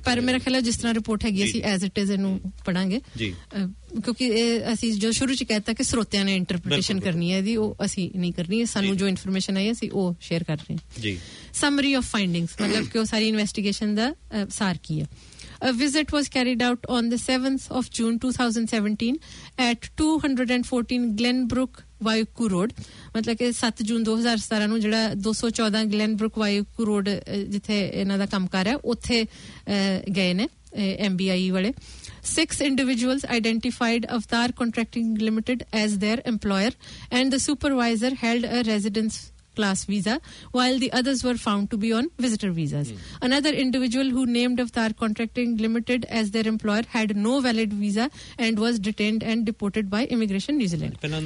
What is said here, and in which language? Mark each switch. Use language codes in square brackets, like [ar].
[pa] ਪਰ ਮੇਰਾ ਖਿਆਲ ਜਿਸ ਤਰ੍ਹਾਂ ਰਿਪੋਰਟ ਹੈਗੀ ਅਸੀਂ [en] as it is [pa] ਇਹਨੂੰ ਪੜਾਂਗੇ, ਕਿਉਂਕਿ ਇਹ ਅਸੀਂ ਜੋ ਸ਼ੁਰੂ ਚ ਕਹਿਤਾ ਕਿ ਸਰੋਤਿਆਂ ਨੇ ਇੰਟਰਪ੍ਰੀਟੇਸ਼ਨ ਕਰਨੀ ਹੈ ਇਹਦੀ, ਉਹ ਅਸੀਂ ਨਹੀਂ ਕਰਨੀ, ਸਾਨੂੰ ਜੋ ਇਨਫੋਰਮੇਸ਼ਨ ਆਈ ਅਸੀਂ ਉਹ ਸ਼ੇਅਰ ਕਰ ਰਹੇ ਹਾਂ. [en] summary of findings [pa] ਮਤਲਬ ਕਿ ਉਹ ਸਾਰੀ ਇਨਵੈਸਟੀਗੇਸ਼ਨ ਦਾ ਸਾਰ ਕੀ ਹੈ. [en] A visit was carried out on the 7th of June 2017 at 214 Glenbrook Vayuku Road. [pa] ਮਤਲਬ ਕਿ 7 June 2017 ਨੂੰ ਜਿਹੜਾ 214 Glenbrook Vayuku Road ਜਿੱਥੇ ਇਹਨਾਂ ਦਾ ਕੰਮ ਕਰ ਹੈ ਉੱਥੇ ਗਏ ਨੇ MBIE ਵਾਲੇ. [en] 6 individuals identified Avtar Contracting Limited as their employer and the supervisor held a residence class visa while the others were found to be on visitor visas. Another individual who named Avtar Contracting Limited as their employer had no valid visa and was detained and deported by Immigration New Zealand.